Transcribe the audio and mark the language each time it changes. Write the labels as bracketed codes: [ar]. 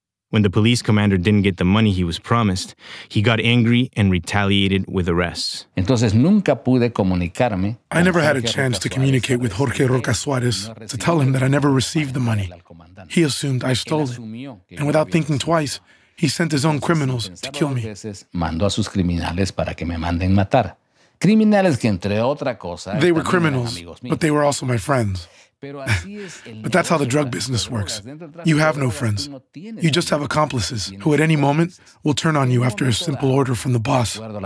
[en] When the police commander didn't get the money he was promised, he got angry and retaliated with arrests. [es] Entonces, nunca pude comunicarme. [en] I never had a chance to communicate with Jorge Roca Suárez to tell him that I never received the money. He assumed I stole it. And without thinking twice, he sent his own criminals to kill me. [es] Mandó a sus criminales para que me manden matar. Criminales que, entre otra cosa, [en] they were criminals, but they were also my friends. But that's how the drug business works. You have no friends. You just have accomplices who at any moment will turn on you after a simple order from the boss.